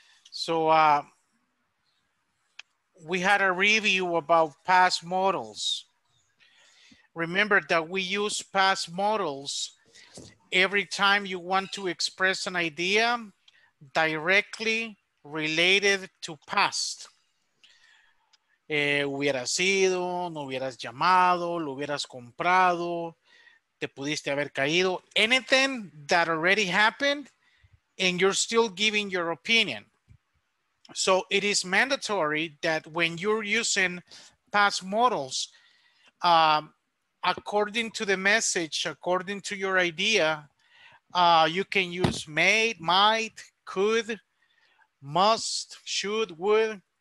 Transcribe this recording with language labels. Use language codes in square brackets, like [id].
[en] So we had a review about past models. Remember that we use past models every time you want to express an idea directly related to past. [es] hubieras ido, no hubieras llamado, lo hubieras comprado, te pudiste haber caído. [en] Anything that already happened and you're still giving your opinion. So it is mandatory that when you're using past models, according to the message, according to your idea, you can use made, might, could, must, should, would.